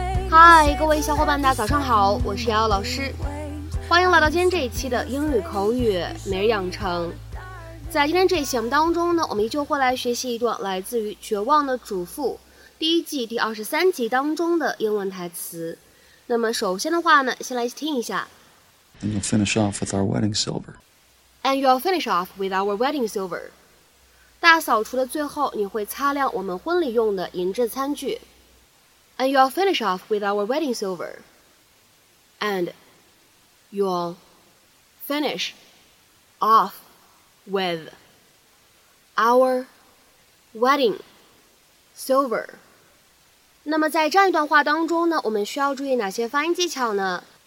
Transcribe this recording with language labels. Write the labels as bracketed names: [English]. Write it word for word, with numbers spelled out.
[Chinese] 嗨，各位小伙伴大家早上好，我是瑶瑶老师，欢迎来到今天这一期的英语口语每日养成。在今天这一期节目当中呢，我们依旧会来学习一段来自于《绝望的主妇》第一季第二十三集当中的英文台词。那么首先的话呢，先来听一下。 [English] And you'll finish off with our wedding silver. And you'll finish off with our wedding silver. [Chinese] 大扫除的最后，你会擦亮我们婚礼用的银质餐具。 [English] And you'll finish off with our wedding silver. And you'll finish off with our wedding silver. [Chinese] 那么在这样一段话当中呢，我们需要注意哪些发音技巧呢？